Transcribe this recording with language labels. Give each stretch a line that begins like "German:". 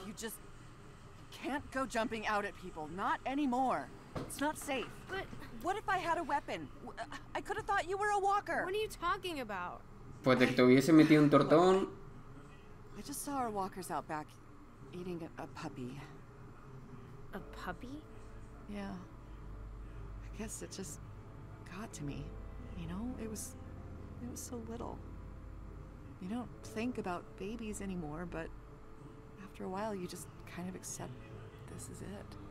English: You just can't go jumping out at people, not anymore. It's not safe. But what if I had a weapon? I could have thought you were a walker. What are you talking about?
Spanish: Pues de que te hubiese metido un tortón.
English: I just saw our walkers out back eating a puppy. A puppy? Yeah. I guess it just got to me. You know, it was so little. You don't think about babies anymore, but after a while, you just kind of accept this is it.